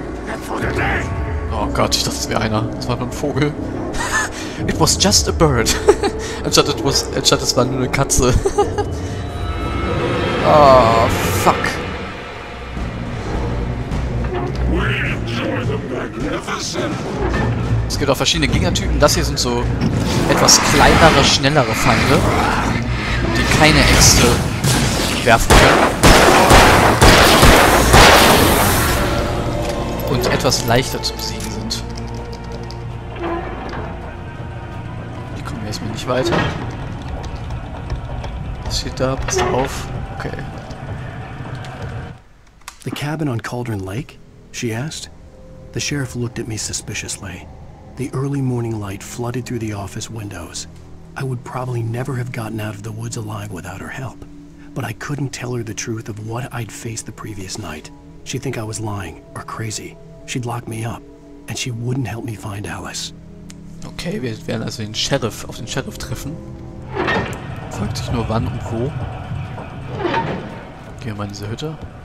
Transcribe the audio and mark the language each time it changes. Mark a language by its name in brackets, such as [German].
[German] Oh Gott, ich dachte, es wäre einer. Es war nur ein Vogel. [English] It was just a bird. [German] Anstatt es war nur eine Katze. [English] Oh, fuck. We enjoy the magnificent [German] Es gibt auch verschiedene Gegnertypen. Das hier sind so etwas kleinere, schnellere Feinde, die keine Äxte werfen können. Und etwas leichter zu besiegen sind. Die kommen erstmal nicht weiter. Was steht da? Pass auf. Okay. [English] The cabin on Cauldron Lake? She asked. The sheriff looked at me suspiciously. The early morning light flooded through the office windows. I would probably never have gotten out of the woods alive without her help. But I couldn't tell her the truth of what I'd faced the previous night. She'd think I was lying or crazy. She'd lock me up, and she wouldn't help me find Alice. [German] Okay, wir werden also den Sheriff auf den Sheriff treffen. Fragt sich nur wann und wo. Gehen wir mal in diese Hütte.